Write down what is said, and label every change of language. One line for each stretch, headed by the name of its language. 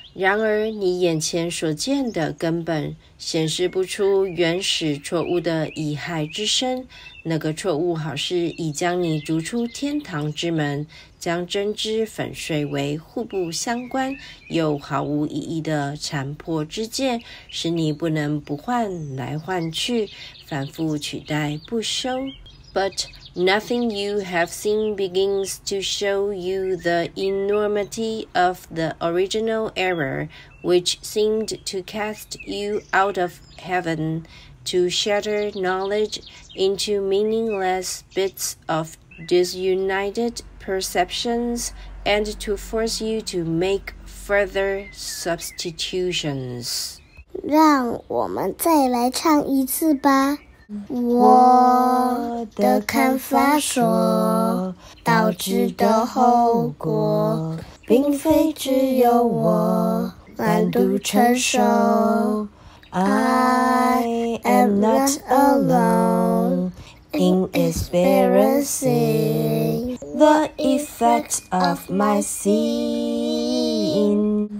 Chinese: 然而你眼前所见的根本显示不出原始错误的遗害之深，那个错误好似已将你逐出天堂之门，将真知粉碎为互不相关又毫无意义的残破之见，使你不能不换来换去，反复取代不休。
English: But nothing you have seen begins to show you the enormity of the original error which seemed to cast you out of heaven to shatter knowledge into meaningless bits of disunited perceptions and to force you to make further substitutions.
Chinese: 让我们再来唱一次吧。我的看法说，导致的后果，并非只有我难度承受。
English: I am not alone in experiencing the effect of my sin。